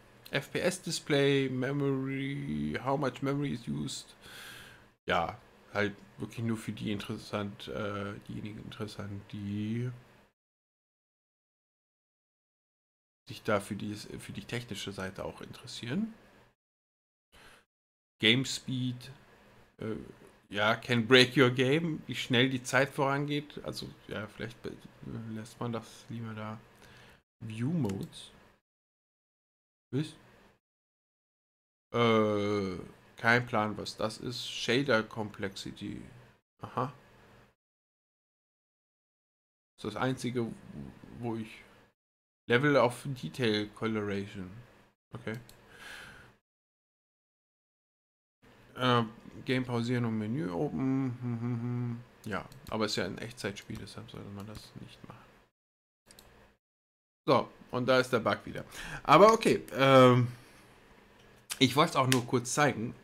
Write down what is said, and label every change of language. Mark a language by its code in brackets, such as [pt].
[en] FPS Display, Memory, how much memory is used. [de] Ja, halt wirklich nur für die interessant, diejenigen interessant, die sich da für die technische Seite auch interessieren. Game Speed, ja, [en] can break your game, [de] wie schnell die Zeit vorangeht. Also, ja, vielleicht lässt man das lieber da. View Modes. Bis? Kein Plan, was das ist. Shader Complexity. Aha. Das ist das Einzige, wo ich... Level of Detail Coloration. Okay. Game pausieren und Menü open. Ja, aber es ist ja ein Echtzeitspiel, deshalb sollte man das nicht machen. So, und da ist der Bug wieder. Aber okay, ich wollte es auch nur kurz zeigen.